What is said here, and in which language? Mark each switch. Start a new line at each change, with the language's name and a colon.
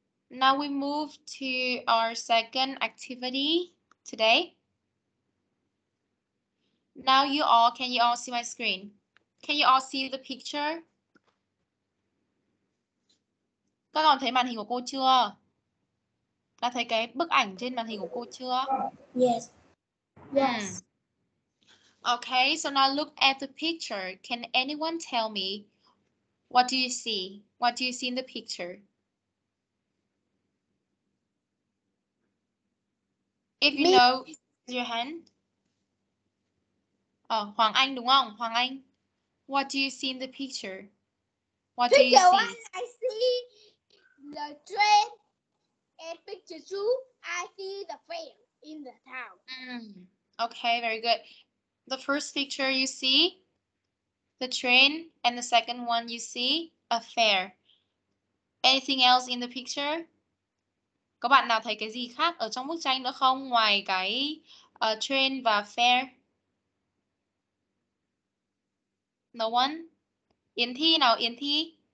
English: Now we move to our second activity today. Now you all, can you all see my screen? Can you all see the picture?
Vietnamese: Các con thấy màn hình của cô chưa? Đã thấy cái bức ảnh trên màn hình của cô chưa?
English: Yes. Yes. Okay, so now look at the picture. Can anyone tell me what do you see? What do you see in the picture? If you know, raise your hand. Hoàng Anh
Vietnamese: đúng không?
English: Hoàng Anh. What do you see in the picture? What picture do you see? Picture 1, I see the train. And picture 2, I see the fair in the town. Okay, very good. The first picture you see, the train. And the second one you see, a fair. Anything else in the picture?
Vietnamese: Có bạn nào thấy cái gì khác ở trong bức tranh nữa không? Ngoài cái train và fair?
English: No one?
Vietnamese: Yến Thi nào, Yến Thi.